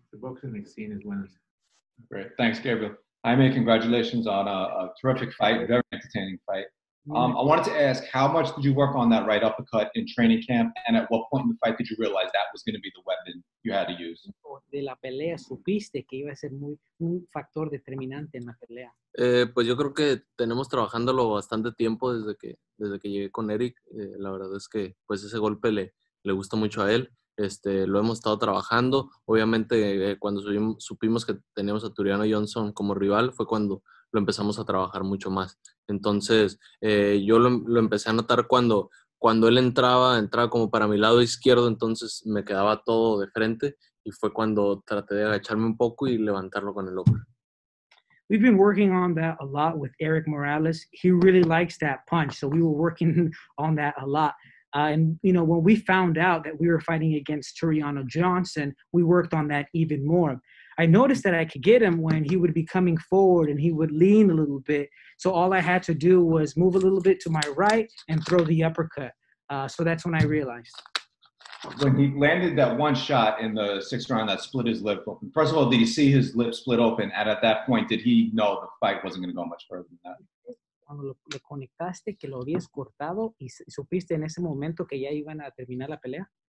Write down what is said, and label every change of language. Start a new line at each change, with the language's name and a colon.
English: The boxing scene is winners. Great. Thanks, Gabriel. Jaime, congratulations on a terrific fight, very entertaining fight. I wanted to ask, how much did you work on that right uppercut in training camp, and at what point in the fight did you realize that was going to be the weapon you had to use?
Spanish: De la pelea, supiste que iba a ser un factor determinante en la pelea. Pues yo creo que tenemos trabajándolo bastante tiempo desde que llegué con Eric. La verdad es que pues ese golpe le gusta mucho a él. Lo hemos estado trabajando. Obviamente, cuando supimos que teníamos a Turiano Johnson como rival, fue cuando lo empezamos a trabajar mucho más. Entonces, yo lo empecé a notar cuando él entraba como para mi lado izquierdo, entonces me quedaba todo de frente y fue cuando traté de agacharme un poco y levantarlo con el hombro.
English: We've been working on that a lot with Eric Morales. He really likes that punch, so we were working on that a lot. And, you know, when we found out that we were fighting against Turiano Johnson, we worked on that even more. I noticed that I could get him when he would be coming forward and he would lean a little bit. So all I had to do was move a little bit to my right and throw the uppercut. So that's when I realized. When he landed that one shot in the sixth round that split his lip open, first of all, did he see his lip split open? And at that point, did he know the fight wasn't going to go much further than that?
Spanish: Cuando le conectaste, que lo habías cortado, y supiste en ese momento que ya iban a terminar la pelea?